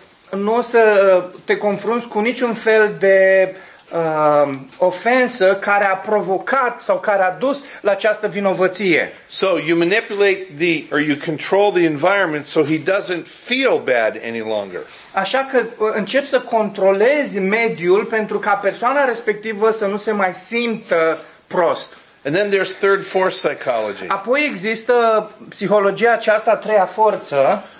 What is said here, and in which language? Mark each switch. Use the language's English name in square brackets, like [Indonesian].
[Romanian] Nu o să te confrunți cu niciun fel de ofensă care a provocat sau care a dus la această vinovăție. [English] So you manipulate the or you control the environment so he doesn't feel bad any longer. [Romanian] Așa că începi să controlezi mediul pentru ca persoana respectivă să nu se mai simtă prost. [English] And then there's third force psychology. [Romanian] Apoi există psihologia aceasta a treia forță.